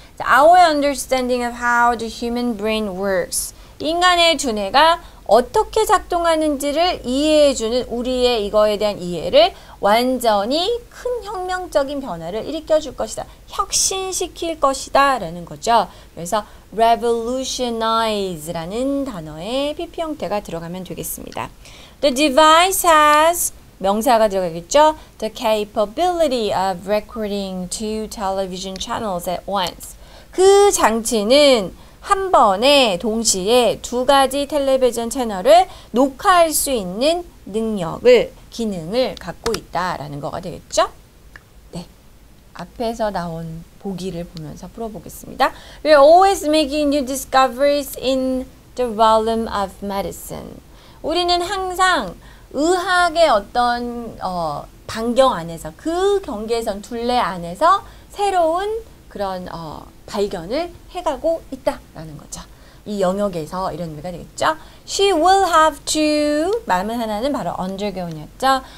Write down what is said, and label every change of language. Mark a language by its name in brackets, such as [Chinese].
[English] Our understanding of how the human brain works. [Korean] 인간의 두뇌가 어떻게 작동하는지를 이해해주는 우리의 이거에 대한 이해를 완전히 큰 혁명적인 변화를 일으켜줄 것이다. 혁신시킬 것이다. 라는 거죠. 그래서 revolutionize라는 단어의 PP 형태가 들어가면 되겠습니다. [English] The device has [Korean] 명사가 들어가겠죠? [English] The capability of recording two television channels at once. [Korean] 그 장치는 한 번에 동시에 두 가지 텔레비전 채널을 녹화할 수 있는 능력을, 기능을 갖고 있다라는 거가 되겠죠? 앞에서 나온 보기를 보면서 풀어보겠습니다. [English] We're always making new discoveries in the realm of medicine. [Korean] 우리는 항상 의학의 어떤 반경 안에서, 그 경계선, 둘레 안에서 새로운 그런 발견을 해가고 있다라는 거죠. 이 영역에서 이런 의미가 되겠죠. [English] She will have to, [Korean] 말문 하나는 바로 undergo였죠.